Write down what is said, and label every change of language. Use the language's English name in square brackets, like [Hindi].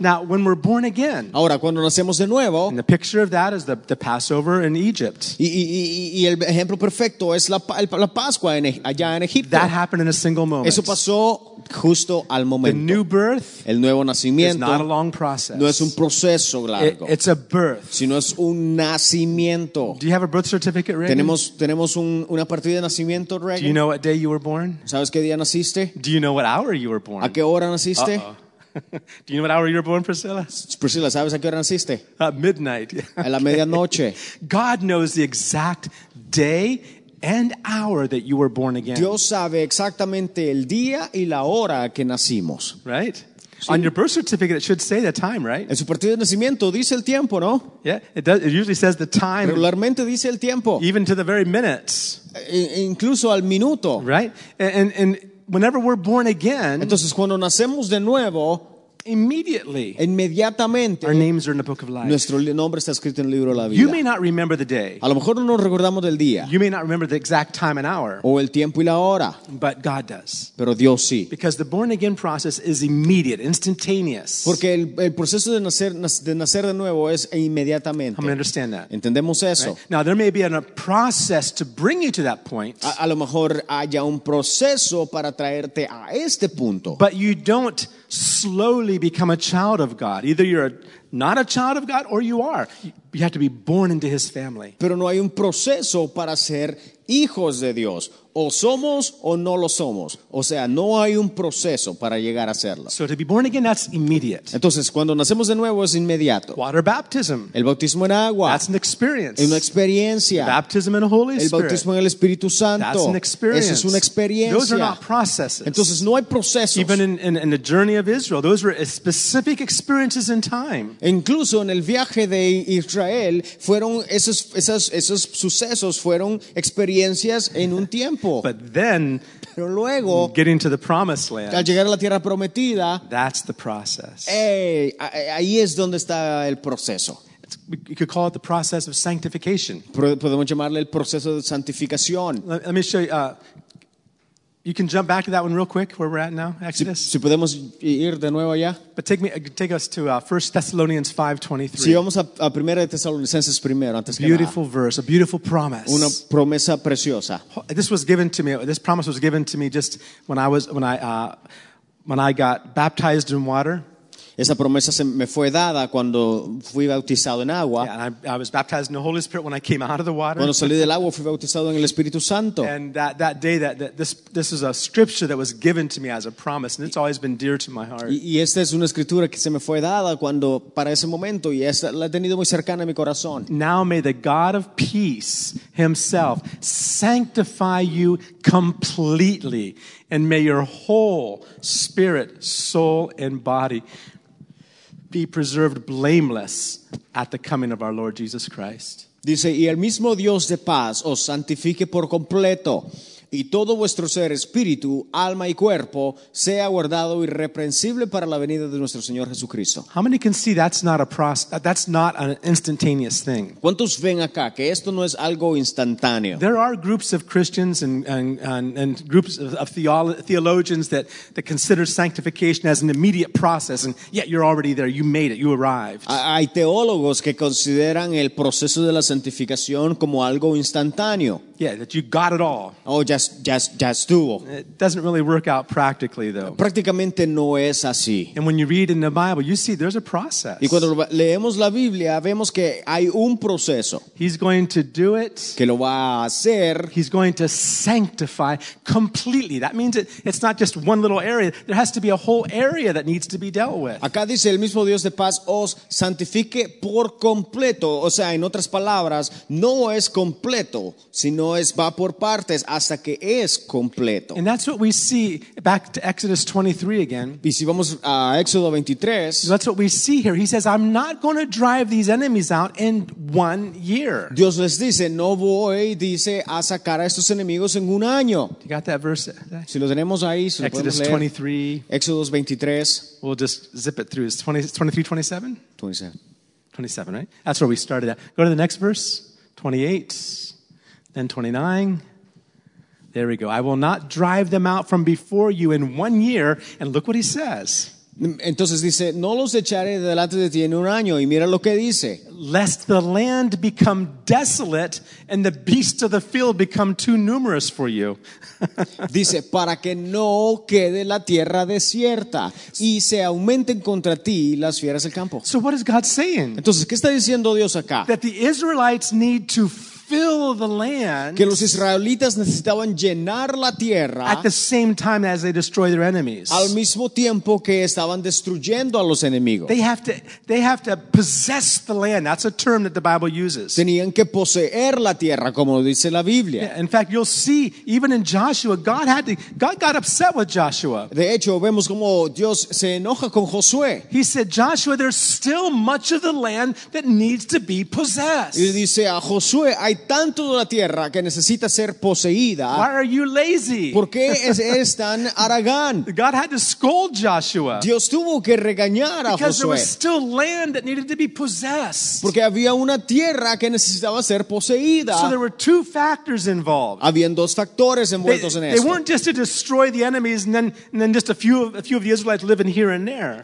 [English] Now, when we're born again. [Spanish] Ahora, cuando nacemos de nuevo. [English] And the picture of that is the Passover in Egypt. [Spanish] Y el ejemplo perfecto es la Pascua allá en Egipto. [English] That happened in a single moment. [Spanish] Eso pasó justo al momento. [English] The new birth, [Spanish] el nuevo nacimiento, [English] is not a long process. [Spanish] No es un proceso largo. [English] It's a birth. [Spanish] Sino es un nacimiento. [English] Do you have a birth certificate ready? [Spanish] Tenemos una partida de nacimiento [English] ready. Do you know what day you were born? [Spanish] ¿Sabes qué día naciste? [English] Do you know what hour you were born? [Spanish] ¿A qué hora naciste? Uh-oh. [English] Do you know what hour you were born, Priscilla? [Spanish] Priscilla, ¿sabes a qué hora naciste? [English] At midnight. [Spanish] A la medianoche. [English] God knows the exact day and hour that you were born again. [Spanish] Dios sabe exactamente el día y la hora que nacimos. [English] Right? [Spanish] Sí. [English] On your birth certificate, it should say the time, right? [Spanish] En su partida de nacimiento dice el tiempo, ¿no? [English] Yeah, it usually says the time. [Spanish] Regularmente dice el tiempo. [English] Even to the very minutes. [Spanish] Incluso al minuto. [English] Right? And whenever we're born again, [Spanish] entonces cuando nacemos de nuevo, [English] immediately, [Spanish] inmediatamente, [English] our names are in the book of life. [Spanish] Nuestro nombre está escrito en el libro de la vida. [English] You may not remember the day. [Spanish] A lo mejor no nos recordamos del día. [English] You may not remember the exact time and hour. [Spanish] O el tiempo y la hora. [English] But God does. [Spanish] Pero Dios sí. [English] Because the born again process is immediate, instantaneous. [Spanish] Porque el proceso de nacer de nuevo es inmediatamente. [English] I'm gonna understand that. [Spanish] Entendemos eso. [English] Right? Now there may be a process to bring you to that point. [Spanish] A lo mejor haya un proceso para traerte a este punto. [English] But you don't slowly become a child of God. Either you're not a child of God or you are. You have to be born into His family. [Spanish] Pero no hay un proceso para ser hijos de Dios. O somos o no lo somos. O sea, no hay un proceso para llegar a serlo. [English] So to be born again, that's immediate. [Spanish] Entonces, cuando nacemos de nuevo, es inmediato. [English] Water baptism. [Spanish] El bautismo en agua. [English] That's an experience. [Spanish] Es una experiencia. [English] The baptism in the Holy Spirit. [Spanish] El bautismo en el Espíritu Santo. [English] That's an experience. [Spanish] Esa es una experiencia. [English] Those are not processes. [Spanish] Entonces, no hay procesos. [English] Even in the journey of Israel, those were specific experiences in time. [Spanish] Incluso en el viaje de Israel, fueron esos sucesos fueron experiencias en un tiempo. [English] But then, [Spanish] pero luego, [English] getting to the promised land, [Spanish] al llegar a la tierra prometida, [English] that's the process. [Spanish] Ahí es donde está el proceso. [English] You could call it the process of sanctification. [Spanish] Podemos llamarle el proceso de santificación. [English] Let me show you. You can jump back to that one real quick, where we're at now, Exodus. [Spanish] Si podemos ir de nuevo allá. [English] But take us to 1 Thessalonians 5:23. [Spanish] Si vamos a Primera de Tesalonicenses primero, antes que nada. [English] Beautiful verse, a beautiful promise. [Spanish] Una promesa preciosa. [English] This was given to me. This promise was given to me just when I got baptized in water. [Spanish] Esa promesa se me fue dada cuando fui bautizado en agua. [English] Yeah, I was baptized in the Holy Spirit when I came out of the water. [Spanish] Cuando salí del agua fui bautizado en el Espíritu Santo. [English] And that day this is a scripture that was given to me as a promise, and it's always been dear to my heart. [Spanish] Y esta es una escritura que se me fue dada cuando para ese momento y esta la he tenido muy cercana a mi corazón. [English] Now may the God of peace himself sanctify you completely, and may your whole spirit, soul, and body be preserved blameless at the coming of our Lord Jesus Christ. [Spanish] Dice, y el mismo Dios de paz os santifique por completo, y todo vuestro ser, espíritu, alma y cuerpo sea guardado irreprensible para la venida de nuestro Señor Jesucristo. [English] How many can see that's not a that's not an instantaneous thing? [Spanish] ¿Cuántos ven acá que esto no es algo instantáneo? [English] There are groups of Christians and groups of theologians that consider sanctification as an immediate process, and yet you're already there. You made it. You arrived. [Spanish] Hay teólogos que consideran el proceso de la santificación como algo instantáneo. [English] Yeah, that you got it all. Oh, just tuvo. It doesn't really work out practically, though. [Spanish] Prácticamente no es así. [English] And when you read in the Bible, you see there's a process. [Spanish] Y cuando leemos la Biblia, vemos que hay un proceso. [English] He's going to do it. [Spanish] Que lo va a hacer. [English] He's going to sanctify completely. That means it's not just one little area. There has to be a whole area that needs to be dealt with. [Spanish] Acá dice, el mismo Dios de paz os santifique por completo. O sea, en otras palabras, no es completo, sino no es va por partes hasta que que es completo. [English] And that's what we see back to Exodus 23 again. [Spanish] Y si vamos a Éxodo 23, [English] that's what we see here. He says, I'm not going to drive these enemies out in 1 year. [Spanish] Dios les dice, no voy, dice, a sacar a estos enemigos en un año. [English] You got that verse? [Spanish] Si lo tenemos ahí, si lo podemos leer. Exodus 23. Éxodos 23. [English] We'll just zip it through. It's 23, 27, right? That's where we started at. Go to the next verse, 28, then 29. There we go. I will not drive them out from before you in 1 year. And look what he says. [Spanish] Entonces dice, no los echaré delante de ti en un año. Y mira lo que dice. [English] Lest the land become desolate and the beasts of the field become too numerous for you. [Spanish] Dice, para que no quede la tierra desierta y se aumenten contra ti las fieras del campo. [English] So what is God saying? [Spanish] Entonces, ¿qué está diciendo Dios acá? [English] That the Israelites need to fill the land. [Spanish] Que los israelitas necesitaban llenar la tierra. [English] At the same time as they destroy their enemies. [Spanish] Al mismo tiempo que estaban destruyendo a los enemigos. [English] They have to possess the land. That's a term that the Bible uses. [Spanish] Tenían que poseer la tierra, como dice la Biblia. [English] Yeah, in fact, you'll see even in Joshua, God got upset with Joshua. [Spanish] De hecho, vemos como Dios se enoja con Josué. [English] He said, Joshua, there's still much of the land that needs to be possessed. [Spanish] Y dice a Josué, hay tanto de la tierra que necesita ser poseída. [English] Why are you lazy? [Spanish] ¿Por qué eres tan aragán? [English] God had to scold Joshua. [Spanish] Dios tuvo que regañar a Josué. [English] Because there was still land that needed to be possessed. [Spanish] Porque había una tierra que necesitaba ser poseída. [English] So there were two factors involved. [Spanish] Habían dos factores envueltos en esto. [English] They weren't just to destroy the enemies and then just a few of the Israelites living here and there.